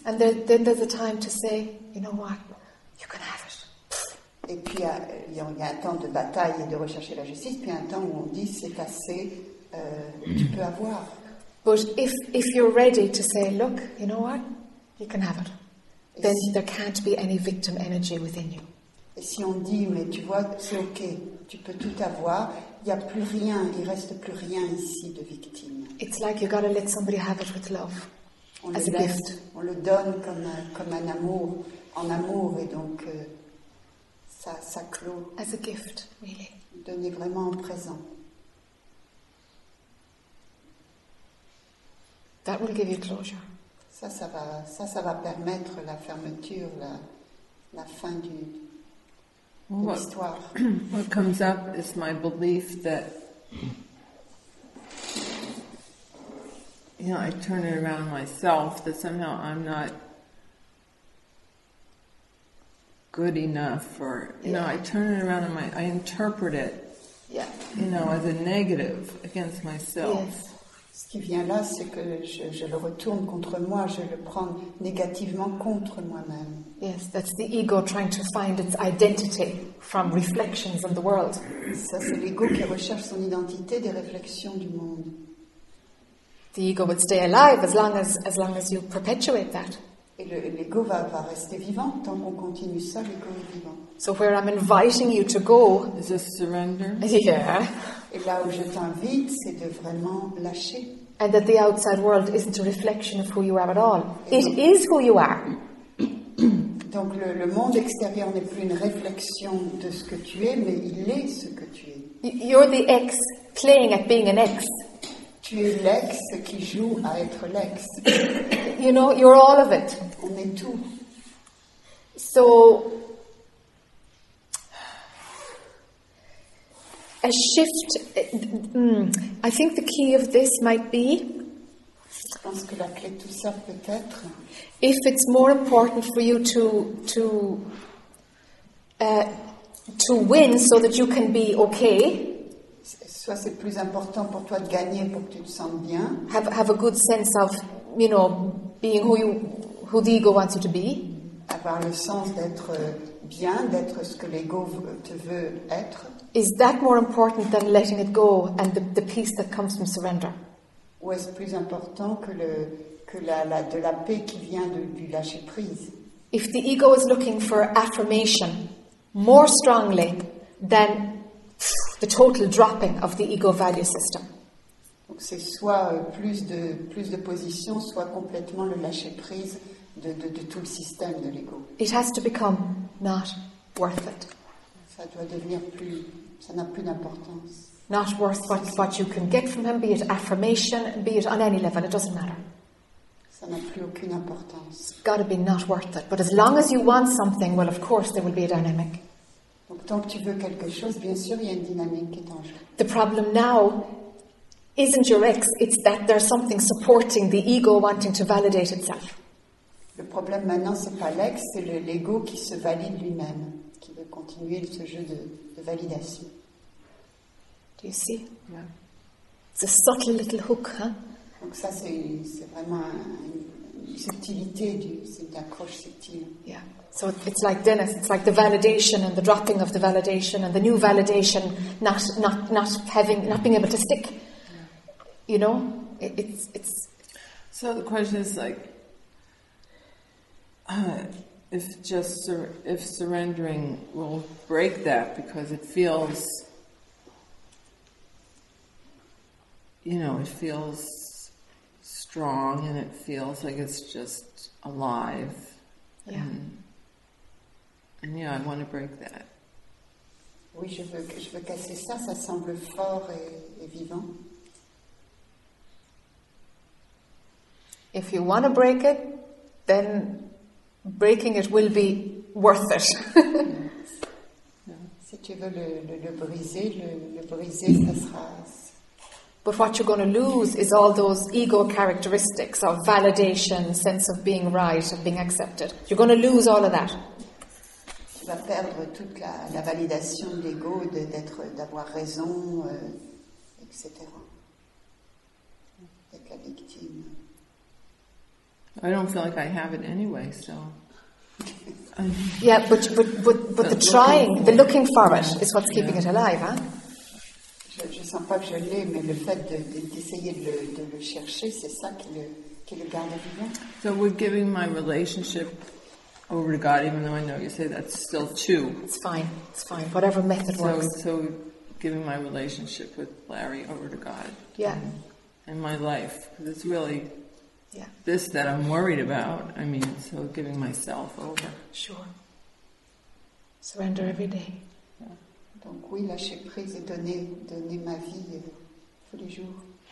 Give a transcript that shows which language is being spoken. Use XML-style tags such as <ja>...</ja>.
<en>And then there's a time to say, you know what? You can have it.</en> <fr>Et puis il y a un temps de bataille et de rechercher la justice, puis un temps où on dit c'est assez, tu peux avoir.</fr> <en>But if you're ready to say, look, you know what, you can have it, then si, there can't be any victim energy within you.</en> <fr>Et si on dit, mais tu vois, c'est ok, tu peux tout avoir, il n'y a plus rien, il ne reste plus rien ici de victime.</fr> <en>It's like you gotta let somebody have it with love,</en> <fr>on</fr> <en>as a</en> <fr>laisse,</fr> <en>gift.</en> <fr>On le donne comme un amour. En amour, et donc ça clôt.</fr> <en>As a gift, really.</en> <fr>Donner vraiment en présent.</fr> <en>That will give you closure.</en> <fr>Ça va permettre la fermeture, la fin du l'histoire.</fr> <en>What comes up is my belief that, you know, I turn it around myself, that somehow I'm not good enough, or, you know, I turn it around and I interpret it, yeah, you know, as a negative against myself. Yes.</en> <fr>Ce qui vient là, c'est que je le retourne contre moi, je le prends négativement contre moi-même.</fr> <en>Yes, that's the ego trying to find its identity from reflections of the world.</en> <fr>Ça, c'est l'ego qui recherche son identité des réflexions du monde.</fr> <en>The ego would stay alive as long as you perpetuate that.</en> <fr>Et l'ego va rester vivant tant qu'on continue ça, l'ego est vivant.</fr> <en>So where I'm inviting you to go is a surrender. Yeah.</en> <fr>Et là où je t'invite, c'est de vraiment lâcher.</fr> <en>And that the outside world isn't a reflection of who you are at all. It is who you are.</en> <fr>Donc le monde extérieur n'est plus une réflexion de ce que tu es, mais il est ce que tu es.</fr> <en>You're the ex playing at being an ex.</en> <fr>Tu es l'ex qui joue à être l'ex.</fr> <en>You know, you're all of it.</en> <fr>On est tout.</fr> <en>So, a shift, I think the key of this might be,</en> <fr>je pense que la clé de tout ça peut être,</fr> <en>if it's more important for you to win so that you can be okay,</en> <fr>soit c'est plus important pour toi de gagner pour que tu te sentes bien.</fr> <en>Have a good sense of, you know, being who the ego wants you to be.</en> <fr>Avoir le sens d'être bien, d'être ce que l'ego te veut être.</fr> <en>Is that more important than letting it go and the peace that comes from surrender?</en> <fr>Ou est-ce plus important que la paix qui vient du lâcher prise?</fr> <en>If the ego is looking for affirmation more strongly than the total dropping of the ego value system.</en> <fr>Donc c'est soit plus de position, soit complètement le lâcher prise de tout le système de l'ego.</fr> <en>It has to become not worth it.</en> <fr>Ça doit devenir plus, ça n'a plus d'importance.</fr> <en>Not worth what you can get from him, be it affirmation, be it on any level, it doesn't matter.</en> <fr>Ça n'a plus aucune importance.</fr> <en>It's got to be not worth it. But as long as you want something, well, of course, there will be a dynamic.</en> <fr>Donc, tant que tu veux quelque chose, bien sûr, il y a une dynamique qui est en jeu.</fr> <en>The problem now isn't your ex, it's that there's something supporting the ego wanting to validate itself.</en> <fr>Le problème maintenant, c'est pas l'ex, c'est l'ego qui se valide lui-même, qui veut continuer ce jeu de validation.</fr> <en>Do you see? Yeah. It's a subtle little hook, huh?</en> <fr>Donc ça, c'est vraiment une subtilité, c'est une accroche subtile.</fr> <en>Yeah. So it's like Dennis, it's like the validation and the dropping of the validation and the new validation not being able to stick. Yeah. You know? It's so the question is like if surrendering will break that because it feels, you know, it feels strong and it feels like it's just alive. Yeah. And yeah, I want to break that.</en> <fr>Oui, je veux casser ça. Ça semble fort et vivant.</fr> <en>If you want to break it, then breaking it will be worth it.</en> <fr>Si tu veux le briser, le briser, ça sera.</fr> <en>But what you're going to lose is all those ego characteristics of validation, sense of being right, of being accepted. You're going to lose all of that.</en> <fr>Tu vas perdre toute la validation de l'ego, d'avoir raison, etc. D'être la victime.</fr> <en>I don't feel like I have it anyway, so. Yeah, but the trying, the looking for it, is what's keeping it alive, huh?</en> <fr>Je sens pas que je l'ai, mais le fait d'essayer de le chercher, c'est ça qui le garde vivant.</fr> <en>So we're giving my relationship over to God, even though I know you say that's still two. It's fine. Whatever method works. So giving my relationship with Larry over to God. Yeah. And my life, because it's really. Yeah. This that I'm worried about, I mean, so giving myself over. Sure. Surrender every day. Yeah.</en> <fr>Donc oui, lâcher prise et donner ma vie tous les jours.</fr>